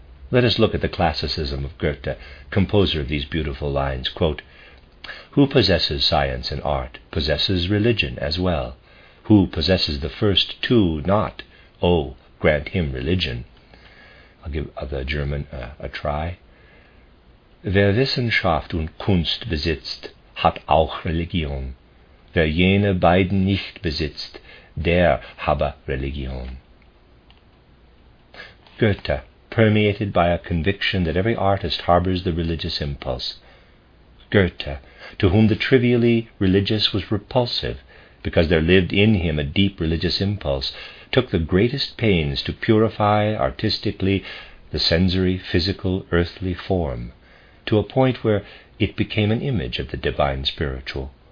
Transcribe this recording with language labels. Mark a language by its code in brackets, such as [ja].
[en] Let us look at the classicism of Goethe, composer of these beautiful lines. Quote, "Who possesses science and art, possesses religion as well. Who possesses the first two not, oh, grant him religion." I'll give the German a try. [de] "Wer Wissenschaft und Kunst besitzt, hat auch Religion. Wer jene beiden nicht besitzt, der habe Religion." [en] Goethe, permeated by a conviction that every artist harbors the religious impulse. Goethe, to whom the trivially religious was repulsive, because there lived in him a deep religious impulse, took the greatest pains to purify artistically the sensory, physical, earthly form, to a point where it became an image of the divine spiritual.